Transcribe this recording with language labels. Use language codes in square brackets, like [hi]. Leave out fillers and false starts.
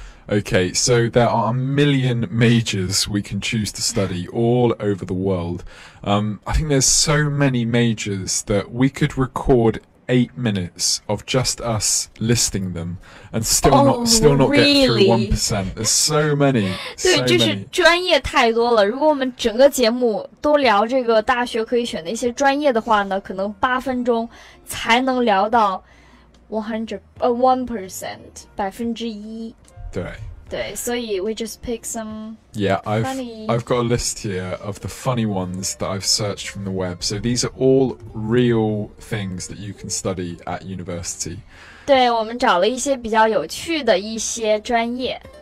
[en] Okay, so there are a million majors we can choose to study all over the world. I think there's so many majors that we could record 8 minutes of just us listing them and still not get through 1%. There's so many. [zh] 对，就是专业太多了。如果我们整个节目都聊这个大学可以选的一些专业的话呢，可能8分钟才能聊到1%, 1%。对， [en] 所以 we just pick some. Yeah, I've got a list here of the funny ones that I've searched from the web. So these are all real things that you can study at university. [zh] 对，我们找了一些比较有趣的一些专业。